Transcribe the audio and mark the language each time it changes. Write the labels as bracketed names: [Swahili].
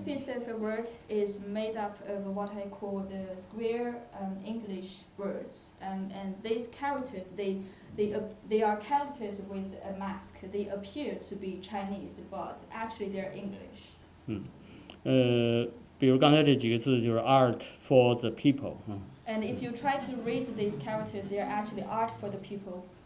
[English] piece of work is made up of what I call the square English words, and these characters they are characters with a mask. They appear to be Chinese, but actually they're English. [Chinese] 比如刚才这几个字就是 [English] art for the people. And if you try to read these characters, they are actually art for the people.